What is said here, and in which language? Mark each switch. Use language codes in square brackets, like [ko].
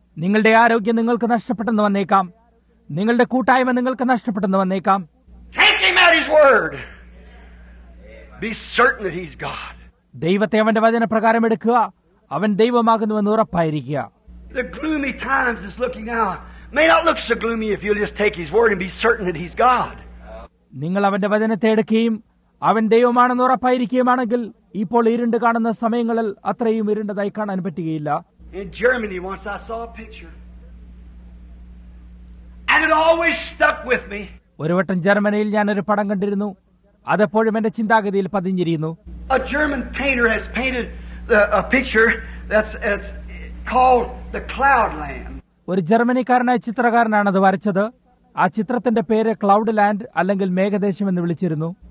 [ml] നിങ്ങളുടെ ആരോഗ്യം നിങ്ങൾക്ക് നഷ്ടപ്പെട്ടെന്ന് വന്നേക്കാം. നിങ്ങളുടെ കൂട്ടായ്മ നിങ്ങൾക്ക് നഷ്ടപ്പെട്ടെന്ന് വന്നേക്കാം. [en] Take him at his word. Be certain that he's God. [ml] ദൈവത്തെ അവന്റെ വചനപ്രകാരം എടുക്കുക. അവൻ ദൈവമാകുന്നുവെന്ന് ഉറപ്പായിരിക്കുക. [en] The gloomy times is looking out. May not look so gloomy if you'll just take his word and be certain that he's God. [ml] നിങ്ങൾ അവന്റെ വചനത്തെ എടുക്കുകയും അവൻ ദൈവമാണെന്ന് ഉറപ്പായിരിക്കുകയാണെങ്കിൽ ഇപ്പോൾ ഇരുണ്ട് കാണുന്ന സമയങ്ങളിൽ അത്രയും ഇരുണ്ടതായി കാണാൻ പറ്റുകയില്ല. [en] In Germany, once I saw a picture. And it always stuck with me. [ml] ഒരു വട്ടം ജർമ്മനിയിൽ ഞാൻ ഒരു പടം കണ്ടിരുന്നു. അതെപ്പോഴും എന്റെ ചിന്താഗതിയിൽ പതിഞ്ഞിരുന്നു. [en] A German painter has painted a picture that's called the Cloud Land. [ml] ഒരു ജർമ്മനിക്കാരനായ ചിത്രകാരനാണ് അത് വരച്ചത്. ആ ചിത്രത്തിന്റെ പേര് ക്ലൗഡ് ലാൻഡ് അല്ലെങ്കിൽ മേഘദേശം എന്ന് വിളിച്ചിരുന്നു.